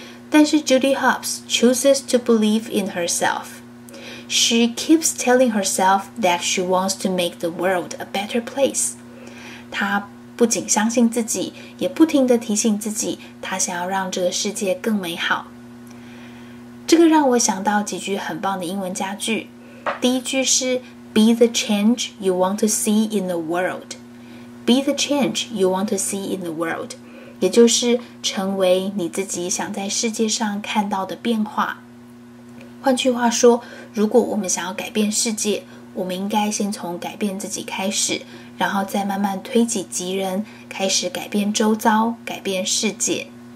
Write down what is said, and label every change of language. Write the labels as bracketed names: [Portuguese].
[English] 但是 Judy Hopps chooses to believe in herselfShe keeps telling herself that she wants to make the world a better place. 她不仅相信自己，也不停地提醒自己，她 [Chinese] 他想要让这个世界更美好。这个让我想到几句很棒的英文佳句。 [English] 第一句是 Be the change you want to see in the world. Be the change you want to see in the world. [Chinese] 也就是成为你自己想在世界上看到的变化。换句话说，如果我们想要改变世界，我们应该先从改变自己开始，然后再慢慢推己及人，开始改变周遭，改变世界。